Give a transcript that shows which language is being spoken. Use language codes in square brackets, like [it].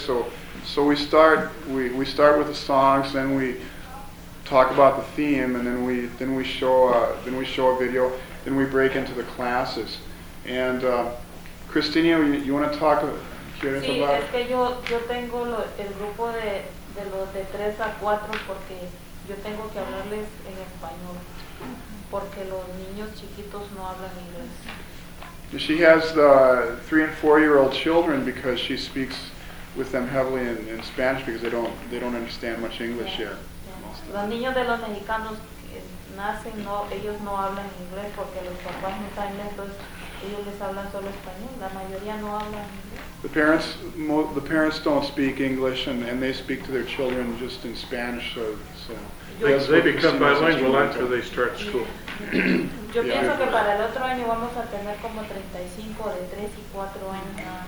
[en] So we start with the songs, then we talk about the theme, and then we show a video, then we break into the classes. And Cristina, you want to talk? [es] Sí, es que yo tengo el grupo de los de 3 a 4 porque yo tengo que hablarles en español porque los niños chiquitos no hablan inglés. [en] She has the 3 and 4 year old children because she speaks with them heavily in Spanish because they don't understand much English yet. [es] Los niños de los mexicanos nacen, no, ellos no hablan inglés porque los papás no saben inglés, entonces ellos les hablan solo español. La mayoría no hablan inglés. [en] The parents don't speak English and they speak to their children just in Spanish, so they become bilingual after they start school. [es] Yo pienso que para el otro año vamos a tener como 35 de 3 y 4 años.